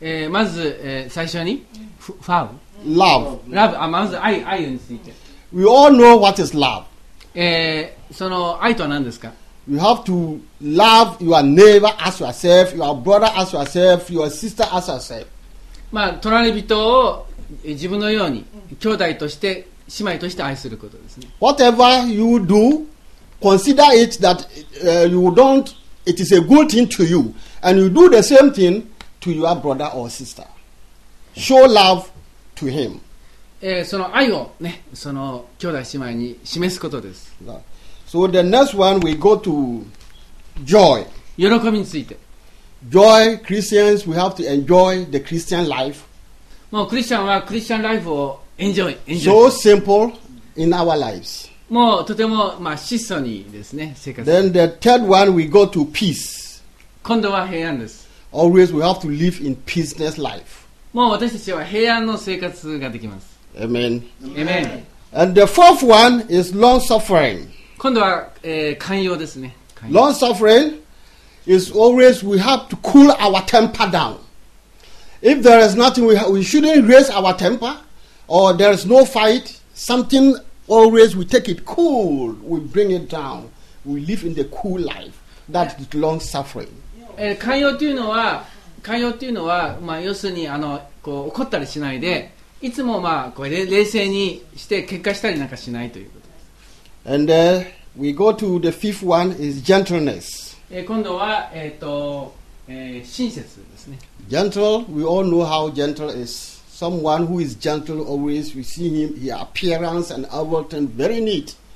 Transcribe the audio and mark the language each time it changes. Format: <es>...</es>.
<ja>まず、最初に、</ja> <en>love. Love.</en> <ja>Love. あ、まず愛について。</ja> <en>We all know what is love.</en> <ja>その愛とは何ですか。</ja> <en>You have to love your neighbor as yourself, your brother as yourself, your sister as yourself.</en> <ja>まあ、隣人を自分のように兄弟として姉妹として愛することですね。</ja> <en>Whatever you do. Consider it that you don't. It is a good thing to you, and you do the same thing to your brother or sister. Show love to him.</en> <ja>その愛をね、その兄弟姉妹に示すことです。</ja> <en>So the next one we go to joy.</en> <ja>喜びについて。</ja> <en>Joy, Christians, we have to enjoy the Christian life.</en> <ja>もうクリスチャンはクリスチャンライフをenjoy.</ja> <en>So simple in our lives.</en> <ja>もうとても、まあ、質素にですね、生活。</ja> <en>Then the third one, we go to peace.</en> <ja>今度は平安です。</ja> <en>Always we have to live in peaceful life.</en> <ja>もう私たちは平安の生活ができます。</ja> <en>Amen. Amen. And the fourth one is long suffering. 今度は、寛容ですね。 Long suffering is always we have to cool our temper down. If there is nothing, we shouldn't raise our temper, or there is no fight, something. Always we take it cool, we bring it down, we live in the cool life. That is long suffering.</en> <ja>寛容というのは、寛容というのは、まあ、要するにあのこう怒ったりしないで、いつも、まあ、こう冷静にして喧嘩したりなんかしないということです。</ja> <en>And then we go to the fifth one is gentleness.</en> <ja>今度は、親切ですね。</ja> <en>Gentle, we all know how gentle is. Someone who is gentle always, we see him, his appearance and outward and very neat.</en>